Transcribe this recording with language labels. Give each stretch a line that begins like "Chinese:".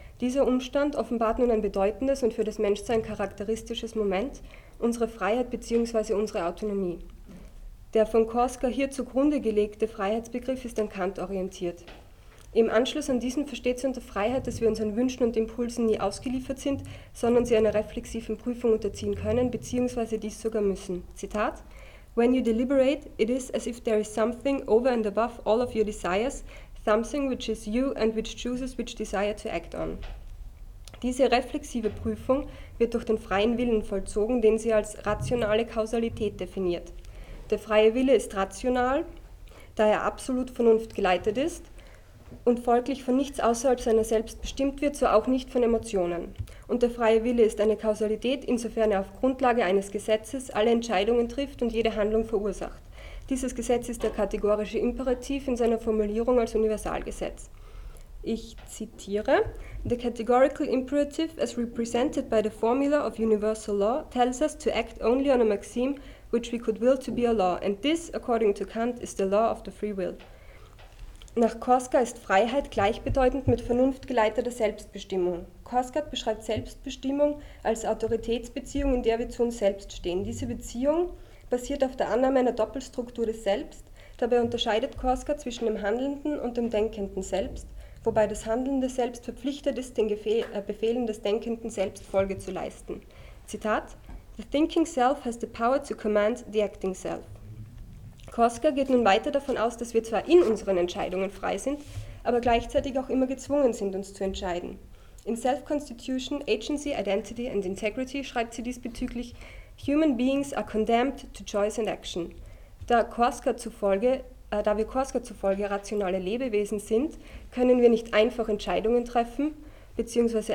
German: Dieser Umstand offenbart nun ein bedeutendes und für das Menschsein charakteristisches Moment, unsere Freiheit bzw. unsere Autonomie. Der von Korsgaard hier zugrunde gelegte Freiheitsbegriff ist an Kant orientiert. Im Anschluss an diesen versteht sie unter Freiheit, dass wir unseren Wünschen und Impulsen nie ausgeliefert sind, sondern sie einer reflexiven Prüfung unterziehen können, beziehungsweise dies sogar müssen. Zitat:
English: When you deliberate, it is as if there is something over and above all of your desires, something which is you and which chooses which desire to act on.
German: Diese reflexive Prüfung wird durch den freien Willen vollzogen, den sie als rationale Kausalität definiert. Der freie Wille ist rational, da er absolut vernunftgeleitet ist und folglich von nichts außerhalb seiner selbst bestimmt wird, so auch nicht von Emotionen. Und der freie Wille ist eine Kausalität, insofern er auf Grundlage eines Gesetzes alle Entscheidungen trifft und jede Handlung verursacht. Dieses Gesetz ist der kategorische Imperativ in seiner Formulierung als Universalgesetz. Ich zitiere:
English: The categorical imperative, as represented by the formula of universal law, tells us to act only on a maxim which we could will to be a law, and this, according to Kant, is the law of the free will.
German: Nach Korsgaard ist Freiheit gleichbedeutend mit vernunftgeleiteter Selbstbestimmung. Korsgaard beschreibt Selbstbestimmung als Autoritätsbeziehung, in der wir zu uns selbst stehen. Diese Beziehung basiert auf der Annahme einer Doppelstruktur des Selbst. Dabei unterscheidet Korsgaard zwischen dem Handelnden und dem Denkenden selbst, wobei das Handelnde selbst verpflichtet ist, den Befehlen des Denkenden selbst Folge zu leisten. Zitat:
English: The thinking self has the power to command the acting self.
German: Korsgaard geht nun weiter davon aus, dass wir zwar in unseren Entscheidungen frei sind, aber gleichzeitig auch immer gezwungen sind, uns zu entscheiden. In
English: Self-Constitution, Agency, Identity and Integrity
German: schreibt sie diesbezüglich:
English: Human beings are condemned to choice and action.
German: Da wir Korsker zufolge rationale Lebewesen sind, können wir nicht einfach Entscheidungen treffen bzw.